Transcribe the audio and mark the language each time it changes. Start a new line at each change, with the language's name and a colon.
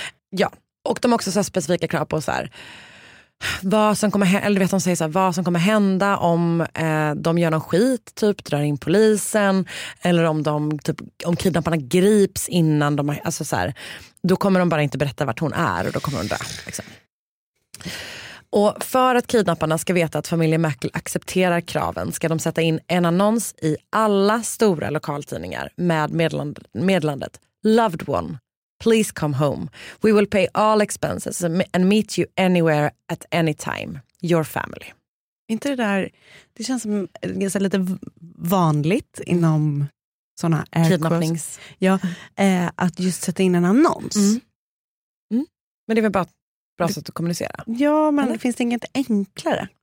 Swedish: Ja, och de har också så här specifika krav på så här. Vad som kommer eller vet de säger så här, vad som kommer hända om de gör någon skit, typ drar in polisen, eller om de typ, om kidnapparna grips innan de, alltså så här, då kommer de bara inte berätta vart hon är och då kommer hon dö liksom. Och för att kidnapparna ska veta att familjen Merkel accepterar kraven ska de sätta in en annons i alla stora lokaltidningar med meddelandet
English: loved one, please come home. We will pay all expenses and meet you anywhere at any time. Your family.
Swedish: Inte det där, det känns som det är lite vanligt inom sådana kidnappnings. Ja, att just sätta in en annons. Mm. Mm. Men det är väl bara ett bra sätt att kommunicera? Ja, men eller? Finns det inget enklare?